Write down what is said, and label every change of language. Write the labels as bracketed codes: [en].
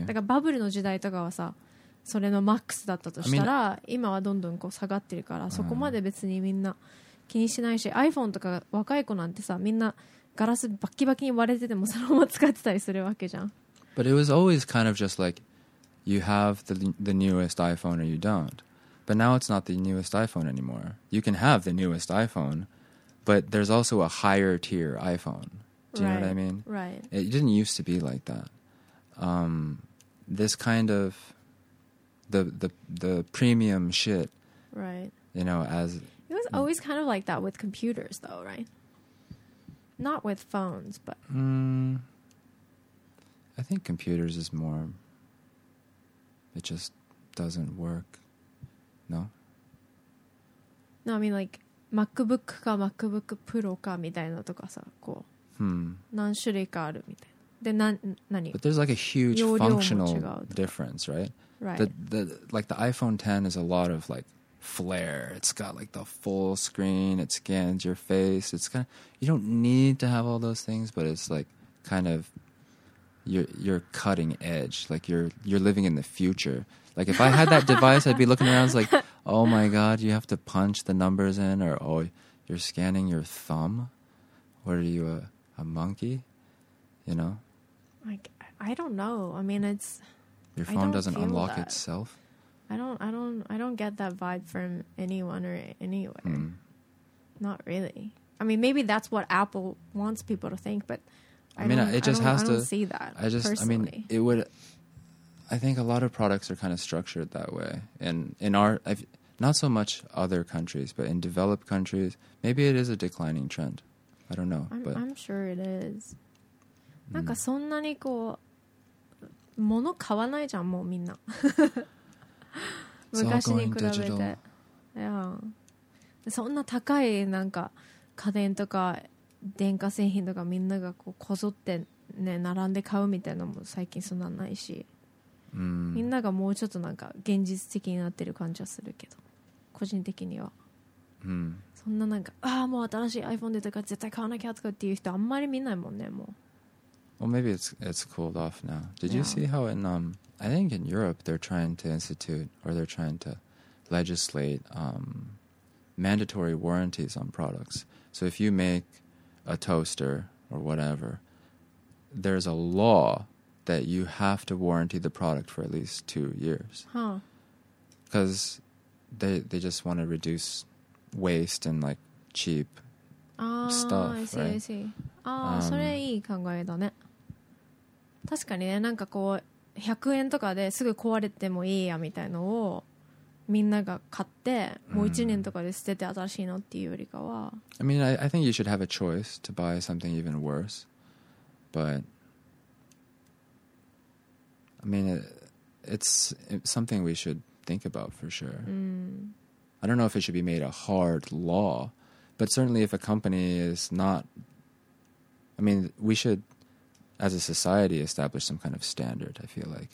[ja] だからバブルの時代とかはさそれのマックスだったとしたら今はどんどんこう下がってるからそこまで別にみんな気にしないし iPhone とか若い子なんてさみんなガラスバキバキに割れててもそのまま使ってたりするわけじゃん。 [en] But it was always kind of just like you have the newest iPhone or you don't. But now it's not the newest iPhone anymore. You can have the newest iPhone, but there's also a higher tier iPhone. Do you right. know what I mean? Right. It didn't used to be like that. This kind of the premium shit. Right. You know, as it was always kind of like that with computers, though, right? Not with phones, but. I think computers is more. It just doesn't work. No. No, I mean like [ja] MacBook か MacBook Pro かみたいなとかさ、こう。何種類かあるみたいな。で、何？ [en] But there's like a huge functional difference, right? Right. The iPhone X is a lot of like flare. It's got like the full screen. It scans your face. It's kind of, you don't need to have all those things, but it's like kind of you're cutting edge. Like you're living in the future. Like if I had that device, I'd be looking around like, oh my god, you have to punch the numbers in, or oh, you're scanning your thumb. What are you, a monkey? You know? Like, I don't know. I mean, it's... Your phone doesn't unlock itself? I don't get that vibe from anyone or anywhere. Mm. Not really. I mean, maybe that's what Apple wants people to think, but I mean, it would... I think a lot of products are kind of structured that way. And in our... not so much other countries, but in developed countries, maybe it is a declining trend. I don't know. I'm sure it is. [ja] なんかそんなにこう物買わないじゃんもうみんな。昔に比べて、そんな高いなんか家電とか電化製品とかみんながこうこぞってね並んで買うみたいなのも最近そんなないし、みんながもうちょっとなんか現実的になってる感じはするけど、個人的には。そんななんかああもう新しい iPhone 出たから絶対買わなきゃとかっていう人あんまり見ないもんねもう。 [en] Well, maybe it's cooled off now. Did you see how in I think in Europe they're trying to institute or they're trying to legislate mandatory warranties on products. So if you make a toaster or whatever, there's a law that you have to warranty the product for at least 2 years. Huh? Because they just want to reduce waste and like cheap stuff. I see, right? I see. [ja] Ah, それいい考えだね。確かにね、なんかこう100円とかですぐ壊れてもいいやみたいのをみんなが買って、もう1年とかで捨てて新しいのっていうよりかは。 [en] I mean, I think you should have a choice to buy something even worse, but I mean, it's something we should think about for sure. I don't know if it should be made a hard law, but certainly if a company is not, I mean, we should, as a society, establish some kind of standard, I feel like.